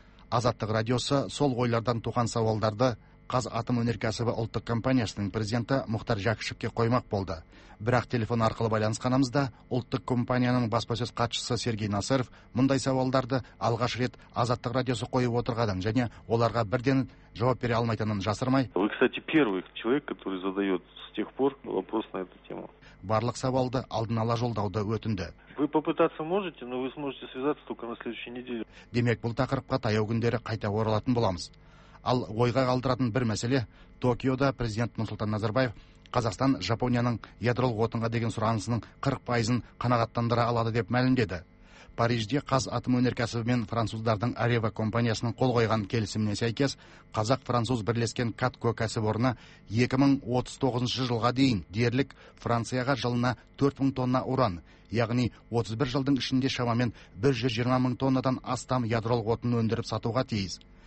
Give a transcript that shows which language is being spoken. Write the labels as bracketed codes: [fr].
[kk] Азаттық радиосы сол ойлардан туған сауалдарды Қазатом өнеркәсібі ұлттық компаниясының президенті Мұхтар Жәкішевке қоймақ болды. Бірақ телефон арқылы байланысқанымызда ұлттық компанияның баспасөз хатшысы Сергей Насыров мұндай сауалдарды алғаш рет Азаттық радиосы қойып отырғанын және оларға бірден жауап бере алмайтынын жасырмай: [ru] "Вы, кстати, первый человек, который задаёт с тех пор вопрос на эту тему." [kk] Барлық сауалды алдын ала жолдауды өтінді. [ru] Вы попытаться можете, но вы сможете связаться только на следующей неделе. [kk] Демек, бұл тақырыпқа таяу күндері қайта оралатын боламыз. Ал ойға қалдыратын бір мәселе, Токиода президент Нұрсұлтан Назарбаев Қазақстан Жапонияның ядролық отынға деген сұранысының 40%-ын қанағаттандыра алады деп мәлімдеді. Парижде Қазатом өнеркәсібі мен француздардың Арева компаниясының қол қойған келісіміне сәйкес, қазақ-француз бірлескен Катко кәсіпорны 2039 жылға дейін дерлік Францияға жылына 4000 тонна уран, яғни 31 жылдың ішінде шамамен 120 мың тоннадан астам ядролық отын өндіріп сатуға тиіс.